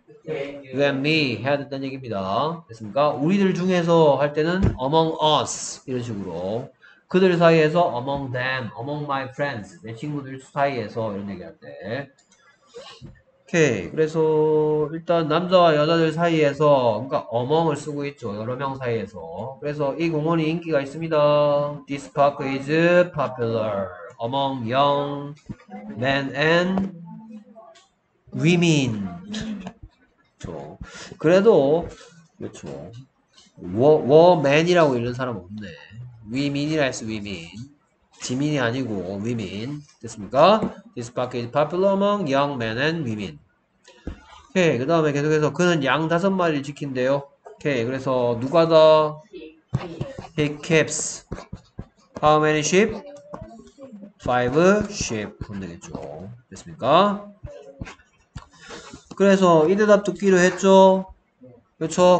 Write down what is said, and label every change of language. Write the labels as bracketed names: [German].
[English] You and me [Korean] 해야 된다는 얘기입니다. 됐습니까? 우리들 중에서 할 때는 [English] among us [Korean] 이런 식으로, 그들 사이에서 [English] among them, among my friends [Korean] 내 친구들 사이에서 이런 얘기할 때. 오케이, 그래서 일단 남자와 여자들 사이에서, 그러니까 among을 쓰고 있죠. 여러 명 사이에서. 그래서 이 공원이 인기가 있습니다. [English] This park is popular among young men and women. [Korean] 그래도 그렇죠. 워맨이라고 읽는 사람 없네. 위민이라 했어. 위민, 지민이 아니고 위민. 됐습니까? [English] This park is popular among young men and women. [Korean] 오케이, 그 다음에 계속해서 그는 양 다섯 마리를 지킨대요. [English] 오케이, 그래서 누가 더? He keeps how many sheep? 5 sheep [Korean] 하면 되겠죠. 됐습니까? 그래서 이 대답 듣기로 했죠. 그렇죠.